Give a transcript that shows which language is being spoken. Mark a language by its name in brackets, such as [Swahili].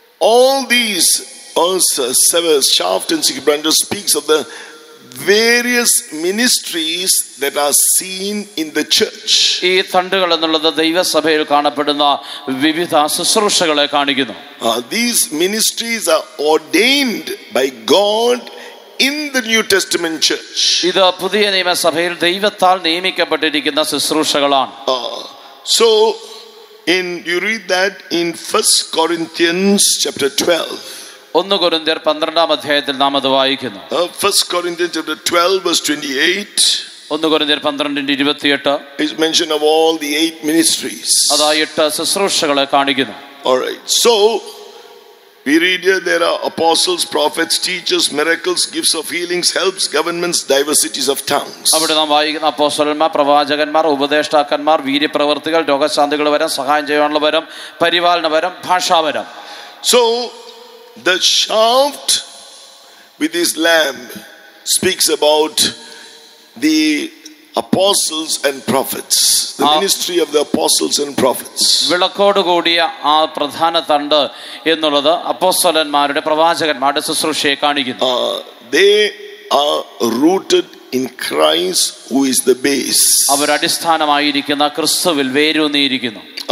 [English] All these seven shaft and six branches speaks of the various ministries that are seen in the church. [Malayalam] ഈ തണ്ടുകൾ എന്നുള്ളത് ദൈവസഭയിൽ കാണപ്പെടുന്ന വിവിധ ശുശ്രൂഷകളെ കാണിക്കുന്നു. [English] These ministries are ordained by God in the New Testament church. [Malayalam] ഇത് പുതിയ നിയമസഭയിൽ ദൈവത്താൽ നിയമിക്കപ്പെട്ടിരിക്കുന്ന ശുശ്രൂഷകളാണ്. [English] So in you read that in 1 Corinthians chapter 12 [Malayalam] 1 Corinthians 12th adhyayathil nam adu vaayikkunnu. [English] 1 Corinthians chapter 12 verse 28 1 Corinthians 12:28 is mention of all the 8 ministries. [Malayalam] Adha 8 sasrushagale kaanikkunnu. [English] All right, so we read here there are apostles, prophets, teachers, miracles, gifts of healings, helps, governments, diversities of tongues. [Malayalam] അവിടെ നാം വായിക്കുന്ന അപ്പോസ്തലന്മാർ, പ്രവാചകന്മാർ, ഉപദേഷ്ടാക്കന്മാർ, വീര്യപ്രവർത്തികൾ, രോഗശാന്തികൾ വരം, സഹായം ചെയ്യാനുള്ള വരം, പരിപാലന വരം, ഭാഷാവരം. [English] So the shaft with his lamp speaks about the apostles and prophets, the ministry of the apostles and prophets. [Malayalam] Vilakkode കൂടിയ ആ പ്രധാന തണ്ട് എന്നുള്ളത് അപ്പോസ്തലന്മാരുടെ പ്രവാചകന്മാരുടെ ശുശ്രൂഷയെ കാണിക്കുന്നു. [English] They are rooted in Christ, who is the base. [Malayalam] അവർ അടിസ്ഥാനമായിരിക്കുന്ന ക്രിസ്തുവിൽ വേരൂന്നിയിരിക്കുന്നു.